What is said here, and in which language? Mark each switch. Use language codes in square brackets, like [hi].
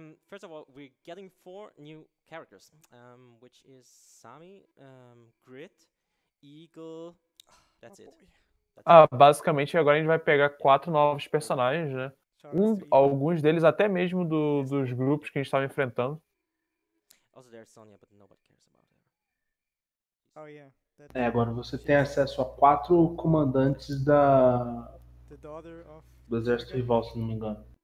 [en] First of all, we're getting four new characters, which is Sami, Grit, Eagle. That's it. [pt] Basicamente agora a gente vai pegar quatro novos personagens, né? Alguns deles até mesmo dos grupos que a gente estava enfrentando. [en] Also, there's Sonya, but nobody cares about her. Oh yeah. [pt] Agora você tem acesso a quatro comandantes da do exército rival, se não me engano.